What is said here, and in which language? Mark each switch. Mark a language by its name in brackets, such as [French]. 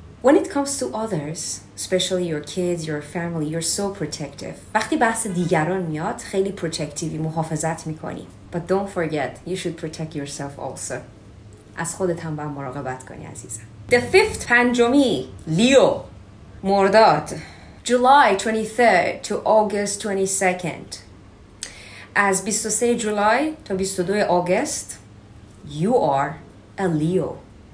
[English] When it comes to others, especially your kids, your family, you're so protective. [Persian] وقتی بحث دیگران میاد، خیلی پروتکتیوی، محافظت میکنی. [English] But don't forget, you should protect yourself also. [Persian] از خودت هم باید مراقبت کنی عزیزم. [English] The fifth, [Persian] پنجمی، لیو، مرداد. [English] July 23rd to August 22nd. As 23 July to 22 August, you are a Leo.